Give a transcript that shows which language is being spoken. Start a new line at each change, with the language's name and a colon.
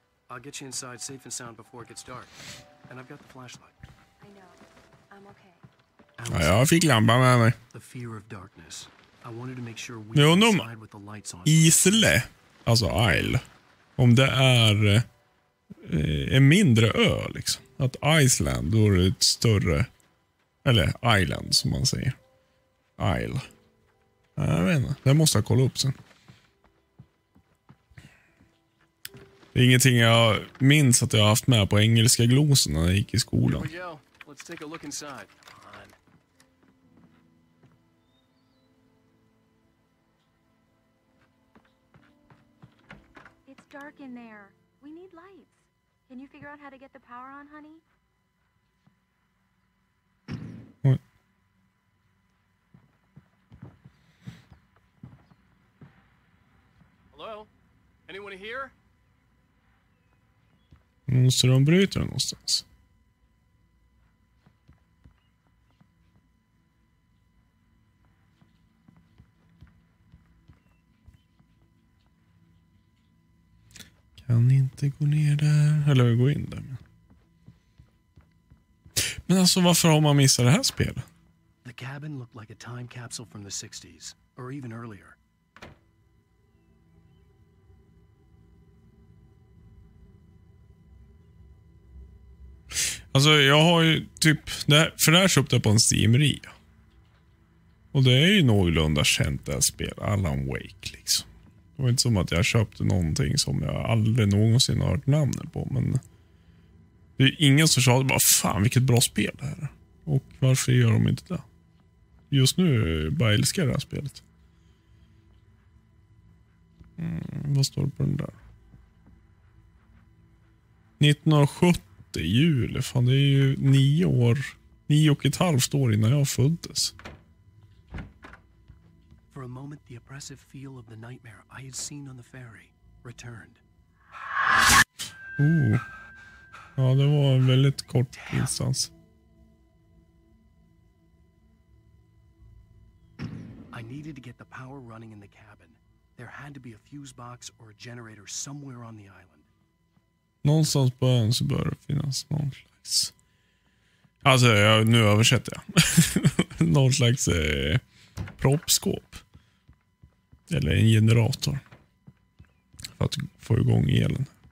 English: I'll get you inside safe and sound before it gets dark. And I've got the flashlight. I know. I'm okay.
Swedish: Alice, ja, jag fick lampan med mig.
English: The fear of darkness. I wanted to make sure we were inside with the lights on. Isle.
Swedish: Alltså Isle. Om det är en mindre ö liksom. Att Iceland, då är det ett större. Eller island som man säger. Isle. Jag vet inte. Det måste jag kolla upp sen. Det är ingenting jag minns att jag har haft med på engelska glosen när jag gick i skolan.
English: Let's take a look inside. It's dark in there. We need lights. Can you figure out how to get the power on, honey? Hello? Anyone here?
Swedish: Måste de bryta den någonstans? Kan inte gå ner där. Eller gå in där. Men alltså, varför har man missat det här spelet?
English: The cabin looked like a time capsule from the 60s. Or even earlier.
Swedish: Alltså jag har ju typ det här, för det här köpte jag på en Steam-rea. Och det är ju någorlunda känt det här spel, Alan Wake liksom. Det var inte som att jag köpte någonting som jag aldrig någonsin har hört namnet på, men det är ju ingen som sa bara fan vilket bra spel det här. Och varför gör de inte det? Just nu bara älskar det här spelet. Vad står det på den där? 1970 i juli. Fan, det är ju 9 år, 9.5 år innan jag föddes.
English: For a moment, the oppressive feel of the nightmare I had seen on the ferry returned.
Swedish: Ooh. Ja, det var en väldigt kort instans.
English: I needed to get the power running in the cabin. There had to be a fuse box or a generator somewhere on the island.
Swedish: Någonstans på ön så bör det finnas någon slags... Alltså, jag, nu översätter jag. Någon slags proppskåp. Eller en generator. För att få igång elen.